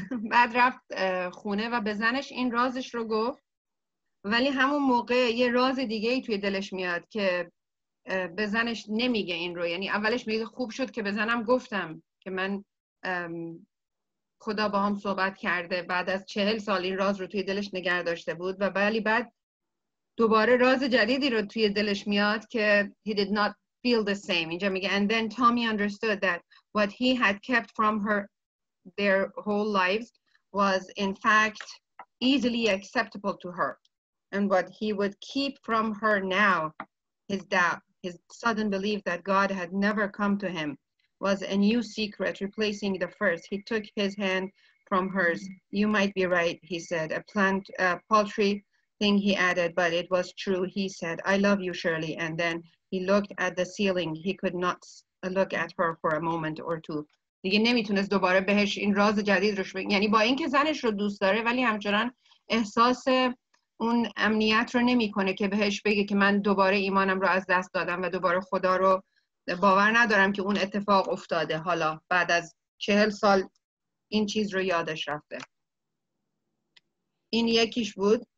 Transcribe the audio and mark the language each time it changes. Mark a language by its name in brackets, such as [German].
[Persian] بعد رفت خونه و به زنش این رازش رو گفت، ولی همون موقع یه راز دیگه ای توی دلش میاد که به زنش نمیگه این رو. یعنی اولش میگه خوب شد که به زنم گفتم که من خدا با هم صحبت کرده. بعد از 40 سال این راز رو توی دلش نگه داشته بود، و ولی بعد دوباره راز جدیدی رو توی دلش میاد که [English] he did not feel the same. [Persian] اینجا میگه [English] and then Tommy understood that what he had kept from her their whole lives was in fact easily acceptable to her. And what he would keep from her now, his doubt, his sudden belief that God had never come to him, was a new secret replacing the first. He took his hand from hers. You might be right, he said. A paltry thing, he added, but it was true. He said, I love you, Shirley. And then he looked at the ceiling. He could not look at her for a moment or two. [Persian] دیگه نمیتونست دوباره بهش این راز جدید روش بگه. یعنی با اینکه زنش رو دوست داره، ولی همچنان احساس اون امنیت رو نمیکنه که بهش بگه که من دوباره ایمانم رو از دست دادم و دوباره خدا رو باور ندارم که اون اتفاق افتاده. حالا بعد از 40 سال این چیز رو یادش رفته. این یکیش بود.